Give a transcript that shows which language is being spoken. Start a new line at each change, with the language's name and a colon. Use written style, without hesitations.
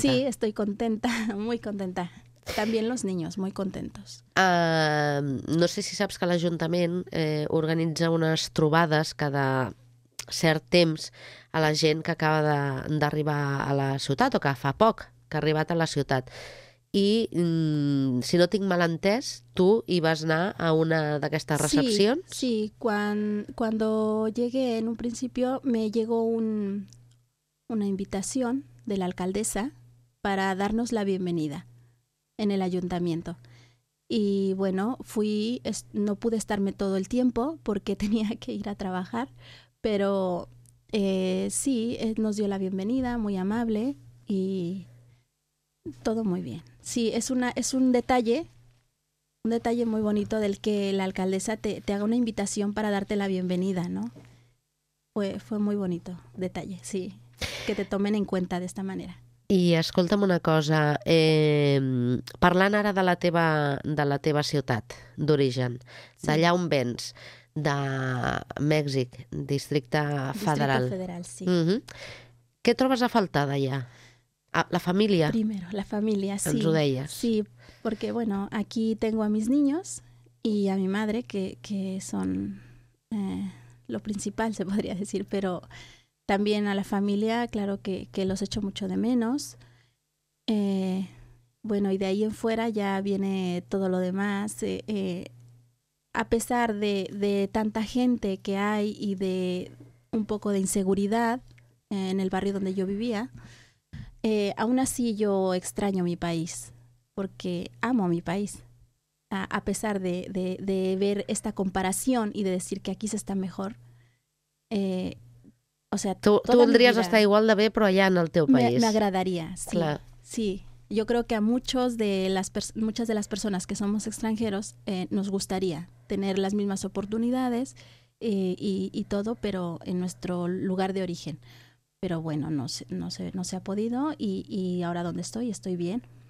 Spanish: Sí, estoy contenta, muy contenta. También los niños, muy contentos.
Catalan: No sé si saps que l'Ajuntament organitza unes trobades cada cert temps a la gent que acaba d'arribar a la ciutat o que fa poc que ha arribat a la ciutat. I, si no tinc mal entès, tu hi vas anar a una d'aquestes recepcions? Sí, sí.
Spanish: Cuando llegué en un principio me llegó una invitación de la alcaldesa para darnos la bienvenida en el ayuntamiento. Y bueno, no pude estarme todo el tiempo porque tenía que ir a trabajar, pero sí, nos dio la bienvenida, muy amable y todo muy bien. Sí, es un detalle muy bonito del que la alcaldesa te haga una invitación para darte la bienvenida, ¿no? Fue muy bonito detalle, sí, que te tomen en cuenta de esta manera.
Catalan: I escolta'm una cosa, parlant ara de la teva ciutat d'origen, sí. D'allà on vens, de Mèxic, Districte Federal. Districte Federal, sí. Mm-hmm. Què trobes a faltar d'allà? La família.
Spanish: Primero, la família, sí.
Catalan: Ens ho deies.
Spanish: Sí, porque bueno, aquí tengo a mis niños y a mi madre, que son lo principal, se podría decir, pero también a la familia, claro que los echo mucho de menos. Bueno, y de ahí en fuera ya viene todo lo demás. A pesar de tanta gente que hay y de un poco de inseguridad en el barrio donde yo vivía, aún así yo extraño mi país, porque amo a mi país. A pesar de ver esta comparación y de decir que aquí se está mejor, o sea,
Catalan: tú voldries estar igual de bé, però allà en el teu país.
Spanish: Me agradaría, sí. Clar. Sí, yo creo que a muchas de las personas que somos extranjeros nos gustaría tener las mismas oportunidades y todo, pero en nuestro lugar de origen. Pero bueno, no se ha podido y ahora donde estoy bien.